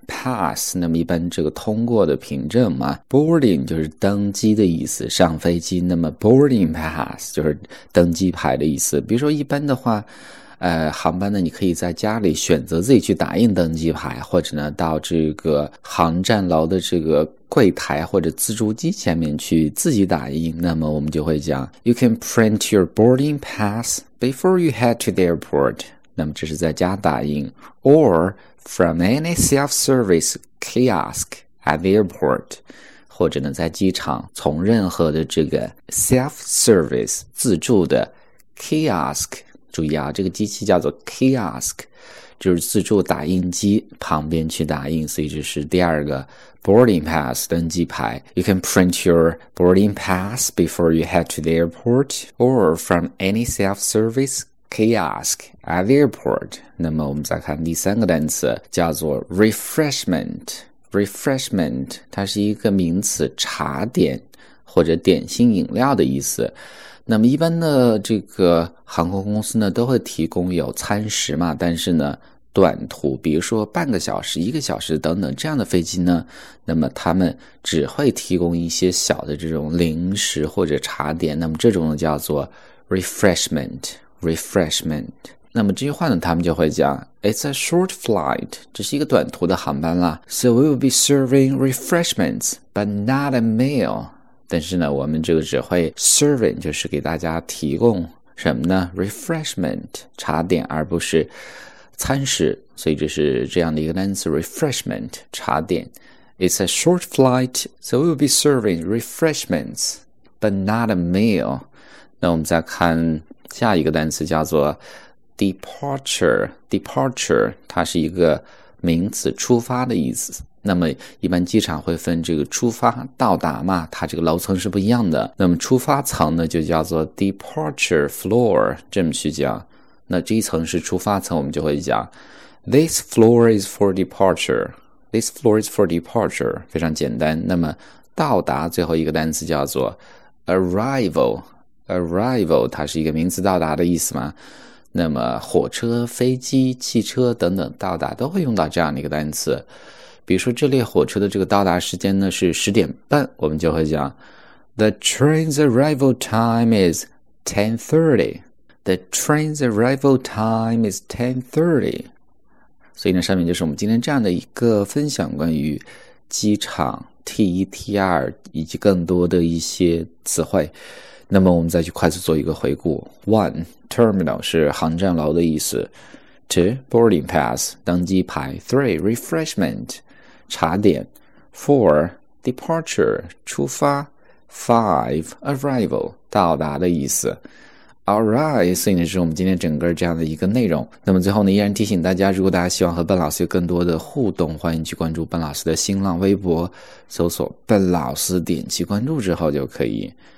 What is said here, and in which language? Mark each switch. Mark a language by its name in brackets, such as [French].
[Chinese] Pass，那么一般这个通过的凭证嘛，boarding 就是登机的意思，上飞机。那么 boarding pass 就是登机牌的意思。比如说，一般的话，航班呢，你可以在家里选择自己去打印登机牌，或者呢，到这个航站楼的这个柜台或者自助机前面去自己打印。那么我们就会讲， [English] You can print your boarding pass before you head to the airport。 [Chinese] 那么这是在家打印， [English] or from any self-service kiosk at the airport， [Chinese] 或者呢在机场从任何的这个 self-service 自助的 kiosk，注意啊，这个机器叫做 kiosk，就是自助打印机旁边去打印，所以这是第二个 boarding pass 登机牌。 [English] You can print your boarding pass before you head to the airport or from any self-service kiosk at the airport。 [Chinese] 那么我们再看第三个单词，叫做 refreshment。 refreshment 它是一个名词，茶点或者点心饮料的意思。那么一般的这个航空公司呢，都会提供有餐食嘛，但是呢，短途，比如说半个小时、1个小时等等这样的飞机呢，那么他们只会提供一些小的这种零食或者茶点。那么这种呢叫做 refreshment。 [English] Refreshment， [Chinese] 那么这句话呢，他们就会讲， [English] It's a short flight， [Chinese] 这是一个短途的航班啦， [English] So we will be serving refreshments, but not a meal。 [Chinese] 但是呢，我们这个只会 serving，就是给大家提供什么呢？refreshment，茶点，而不是餐食。所以这是这样的一个单词，refreshment，茶点。 [English] It's a short flight，So we will be serving refreshments, but not a meal。 [Chinese] 那我们再看下一个单词叫做 departure，它是一个名词，出发的意思。那么一般机场会分这个出发、到达嘛，它这个楼层是不一样的。那么出发层呢，就叫做 departure floor，这么去讲。那这一层是出发层，我们就会讲 [English] this floor is for departure， [Chinese] this floor is for departure，非常简单。那么到达最后一个单词叫做 arrival。 Arrival，它是一个名词，到达的意思嘛。那么火车、飞机、汽车等等，到达都会用到这样的一个单词。比如说，这列火车的这个到达时间呢是10点半，我们就会讲 [English] The train's arrival time is 10:30。 The train's arrival time is 10:30。 [Chinese] 所以呢，上面就是我们今天这样的一个分享，关于机场 T1、T2 以及更多的一些词汇。那么我们再去快速做一个回顾。One terminal 是航站楼的意思。 Two boarding pass 登机牌。 Three refreshment 茶点。 Four departure 出发。 Five arrival 到达的意思。All right，所以呢，这是我们今天整个这样的一个内容。那么最后呢，依然提醒大家，如果大家希望和笨老师有更多的互动，欢迎去关注笨老师的新浪微博，搜索“笨老师”，点击关注之后就可以。